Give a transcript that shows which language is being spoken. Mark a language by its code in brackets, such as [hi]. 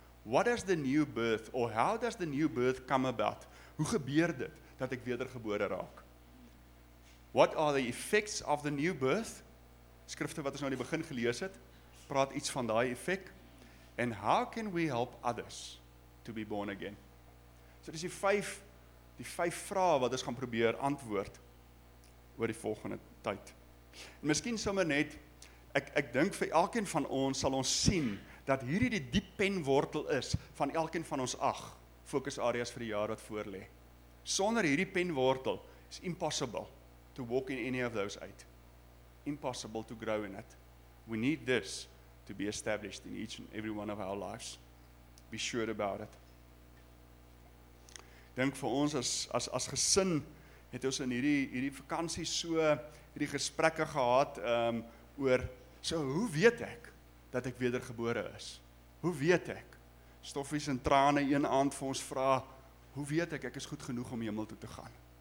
[en] what is the new birth, or how does the new birth come about? [af] Hoe gebeur dit dat ek wedergebore raak? [en] What are the effects of the new birth? [af] Skrifte wat ons nou aan die begin gelees het, praat iets van daai effek. [en] And how can we help others to be born again? [af] So dis die vyf vrae wat ons gaan probeer antwoord oor die volgende tyd. En miskien sommer net, ek dink vir elkeen van ons sal ons sien dat hierdie die diep penwortel is van elkeen van ons 8 fokusareas vir die jaar wat voorlê. Sonder hierdie penwortel [en] is impossible to walk in any of those 8. Impossible to grow in it. We need this to be established in each and every one of our lives. Be sure about it. [af] Dink vir ons as gesin het ons in hierdie vakansie so hierdie gesprekke gehad oor so hoe weet ek dat ek wedergebore is? Hoe weet ek? Stoffies en trane een aand vir ons vra, hoe weet ek is goed genoeg om hemel toe te gaan?